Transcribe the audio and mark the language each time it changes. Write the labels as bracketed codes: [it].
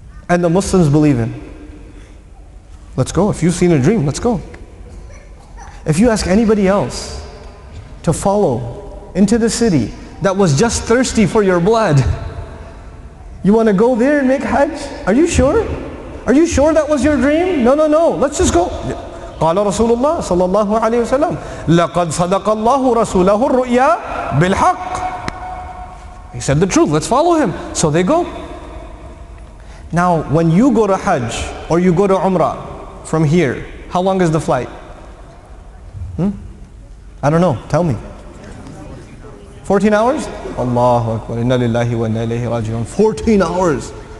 [en] And the Muslims believe him. Let's go. If you've seen a dream, let's go. If you ask anybody else, to follow into the city that was just thirsty for your blood. You want to go there and make Hajj? Are you sure? Are you sure that was your dream? No, no, no. Let's just go. [ar] قال رسول الله صلى الله عليه وسلم لقد صدق الله رسوله الرؤيا بالحق. [en] He said the truth. Let's follow him. So they go. Now, when you go to Hajj or you go to Umrah from here, how long is the flight? I don't know. Tell me. 14 hours? Allahu Akbar. Inna lillahi wa inna ilayhi raji'un. 14 hours.